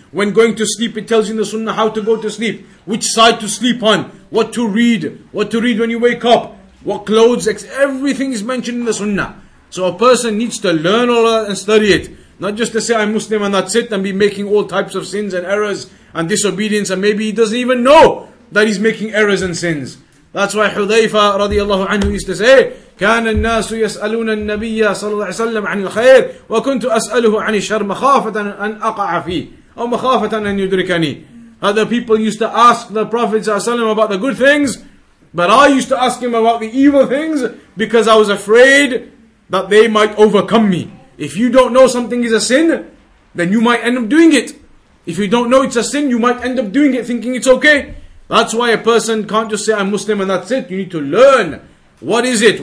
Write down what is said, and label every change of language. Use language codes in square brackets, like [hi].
[en] When going to sleep, it tells you in the Sunnah how to go to sleep, which side to sleep on, what to read when you wake up, what clothes, everything is mentioned in the Sunnah. So a person needs to learn all of that and study it. Not just to say, I'm Muslim and that's it, and be making all types of sins and errors and disobedience, and maybe he doesn't even know that he's making errors and sins. [ar] That's why Hudhayfa radiallahu anhu used to say, كان الناس يسألون النبي صلى الله عليه وسلم عن الخير وكنت أسأله عن الشر مخافة أن أقع فيه أو مخافة أن يدركني. [en] Other people used to ask the Prophet [ar] صلى الله عليه وسلم [en] about the good things, but I used to ask him about the evil things because I was afraid that they might overcome me. If you don't know something is a sin, then you might end up doing it. If you don't know it's a sin, you might end up doing it thinking it's okay. That's why a person can't just say I'm Muslim and that's it. You need to learn. What is it?